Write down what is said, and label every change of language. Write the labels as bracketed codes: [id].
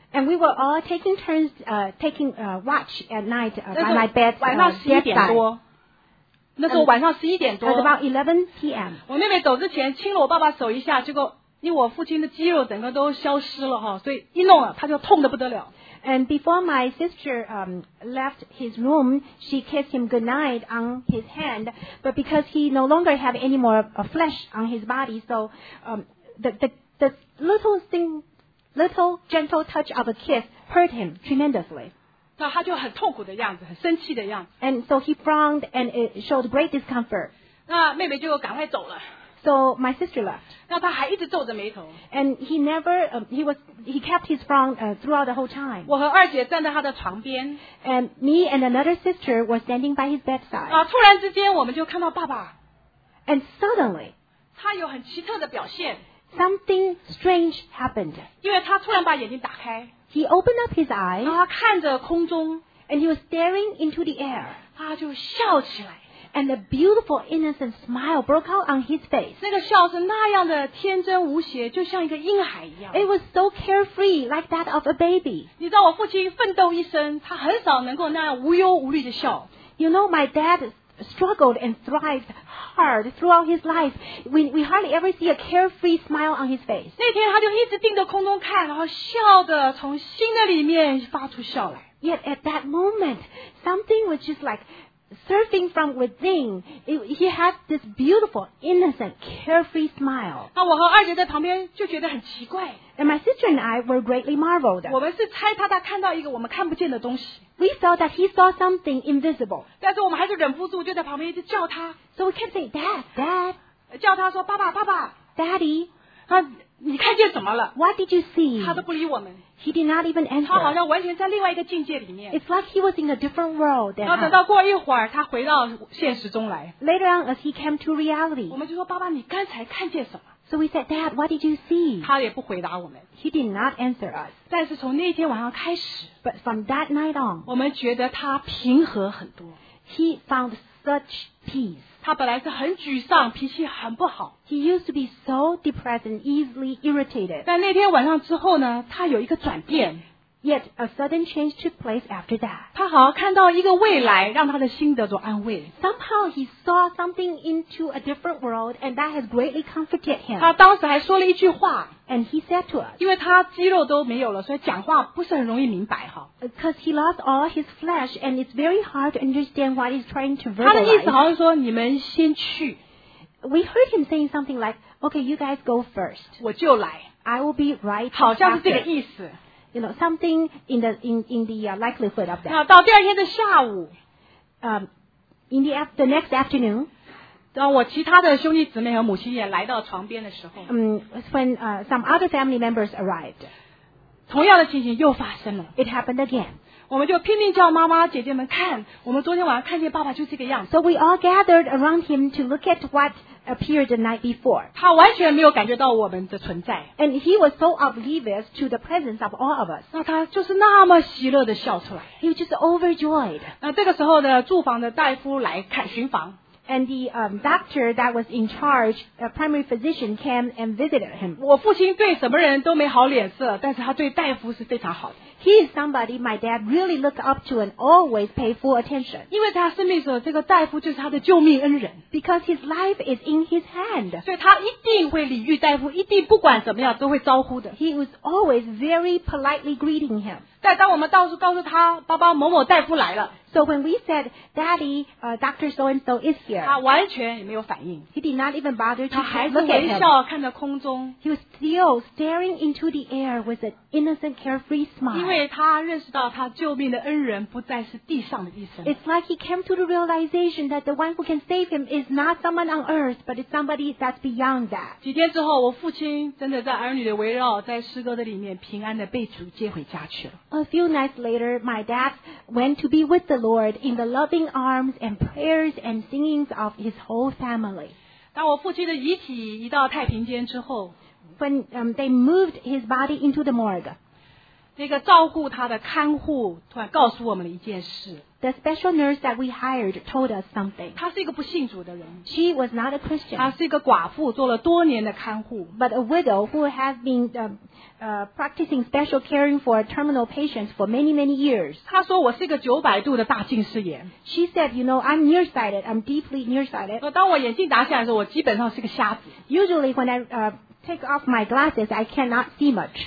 [en] And we were all taking turns watch at night by my bed. [zh] 晚上十一点多。那时候晚上十一点多 [en] ，at about 11 p.m. [zh] 我妹妹走之前亲了我爸爸手一下，结果因为我父亲的肌肉整个都消失了哈，所以一弄了他就痛得不得了。 [en] And before my sister left his room, she kissed him goodnight on his hand. But because he no longer have any more flesh on his body, so the little gentle touch of a kiss hurt him tremendously. [zh] 他就很痛苦的样子，很生气的样子。 [en] And so he frowned and it showed great discomfort. [zh] 那妹妹就赶快走了。 [en] So my sister left. [zh] 那他还一直皱着眉头。 [en] And he never, he kept his frown throughout the whole time. [zh] 我和二姐站在他的床边。 [en] And me and another sister were standing by his bedside. [zh] 啊，突然之间我们就看到爸爸。 [en] And suddenly, [zh] 他有很奇特的表现。 [en] Something strange happened. [zh] 因为他突然把眼睛打开。 [en] He opened up his eyes, [zh] 然后他看着空中, [en] and he was staring into the air. [zh] 他就笑起来, [en] and a beautiful, innocent smile broke out on his face. [zh] 那个笑是那样的天真无邪, 就像一个婴孩一样。 [en] It was so carefree, like that of a baby. [zh] 你知道我父亲奋斗一生, 他很少能够那样无忧无虑的笑。 [en] You know, my dad struggled and thrived hard throughout his life. We hardly ever see a carefree smile on his face. [zh] 那天他就一直盯着空中看，然后笑得从心的里面发出笑来。 [en] Yet at that moment, something was just like surfing from within. He had this beautiful, innocent, carefree smile. [zh] 那我和二姐在旁边就觉得很奇怪。 [en] And my sister and I were greatly marveled. [zh] 我们是猜他看到一个我们看不见的东西。 [en] We saw that he saw something invisible. [zh] 但是我们还是忍不住就在旁边一直叫他。 [en] So we kept saying, Dad, Dad. [zh] 叫他说爸爸爸爸。 [en] Daddy. [zh] 他你看见什么了 [en] ？What did you see？ [zh] 他都不理我们。 [en] He did not even answer。 [zh] 他好像完全在另外一个境界里面。 [en] It's like he was in a different world. [zh] 然后等到过一会儿，他回到现实中来。 [en] Later on, as he came to reality， [zh] 我们就说：“爸爸，你刚才看见什么 [en] ？”So we said, Dad, what did you see？ [zh] 他也不回答我们。 [en] He did not answer us。 [zh] 但是从那天晚上开始 [en] ，But from that night on， [zh] 我们觉得他平和很多。 [en] He found such peace。 [zh] 他本来是很沮丧，脾气很不好。 [en] He used to be so depressed and easily irritated. [zh] 但那天晚上之后呢，他有一个转变。 [en] Yet a sudden change took place after that. [zh] 他好像看到一个未来，让他的心得到安慰。 [en] Somehow he saw something into a different world, and that has greatly comforted him. [zh] 他当时还说了一句话。 [en] And he said to us, [zh] 因为他肌肉都没有了，所以讲话不是很容易明白哈。 [en] Because he lost all his flesh, and it's very hard to understand what he's trying to verbalize. [zh] 他的意思好像说你们先去。 [en] We heard him saying something like, "Okay, you guys go first." [zh] 我就来。 [en] I will be right after. [zh] 好像是这个意思。 [en] You know, something in the likelihood of that. [zh] 那到第二天的下午， [en] the next afternoon. [zh] 当我其他的兄弟姊妹和母亲也来到床边的时候， [en] when some other family members arrived. [zh] 同样的情形又发生了。 [en] It happened again. [zh] 我们就拼命叫妈妈姐姐们看，我们昨天晚上看见爸爸就这个样子。 [en] So we all gathered around him to look at what appeared the night before. [zh] 他完全没有感觉到我们的存在。 [en] And he was so oblivious to the presence of all of us. [zh] 那他就是那么喜乐的笑出来。 [en] He was just overjoyed. [zh] 那这个时候的住房的大夫来看巡房。 [en] And the doctor that was in charge, a primary physician, came and visited him. [zh] 我父亲对什么人都没好脸色，但是他对大夫是非常好的。 [en] He is somebody my dad really looked up to and always paid full attention. [zh] 因为他生命所这个大夫就是他的救命恩人。 [en] Because his life is in his hand. [zh] 所以他一定会礼遇大夫，一定不管怎么样都会招呼的。 [en] He was always very politely greeting him. [zh] 但当我们告诉他爸爸某某大夫来了。 [en] So when we said, Daddy, Dr. So-and-so is here, [zh] 他完全也没有反应。 [en] He did not even bother to look at him. [zh] 他还是微笑看着空中。 [en] He was still staring into the air with an innocent, carefree smile. [zh] 因为他认识到他救命的恩人不再是地上的医生。 [en] It's like he came to the realization that the one who can save him is not someone on earth, but it's somebody that's beyond that. [zh] 几天之后，我父亲真的在儿女的围绕，在诗歌的里面平安的被主接回家去了。 [en] A few nights later, my dad went to be with the Lord in the loving arms and prayers and singings of his whole family. [zh] 当我父亲的遗体移到太平间之后 [en] ，when they moved his body into the morgue， [zh] 那个照顾他的看护突然告诉我们了一件事。 [en] The special nurse that we hired told us something. [zh] 她是一个不信主的人。 [en] She was not a Christian. [zh] 她是一个寡妇，做了多年的看护。 [en] But a widow who has been practicing special caring for terminal patients for many, many years. [zh] 她说我是一个900度的大近视眼。 [en] She said, you know, I'm nearsighted. I'm deeply nearsighted. [zh] 当我眼镜拿下来的时候，我基本上是个瞎子。 [en] Usually when I take off my glasses, I cannot see much.